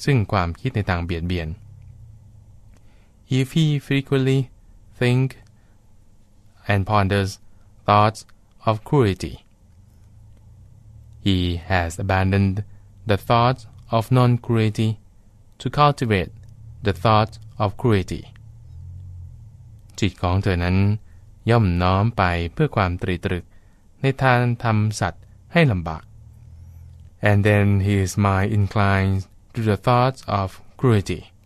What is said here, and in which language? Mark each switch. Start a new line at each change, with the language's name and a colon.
Thai: กระทำแล้วอย่างมากซึ่งความคิดในทางเบียดเบียน
English: If he frequently think and ponders thoughts of cruelty, he has abandoned the thought of non-cruelty to cultivate the thought of cruelty.
Thai: จิตของเธอนั้นย่อมน้อมไปเพื่อความตรีตรึกในทางทำสัตว์ให้ลำบาก
English: And then his mind inclines to the thoughts of cruelty.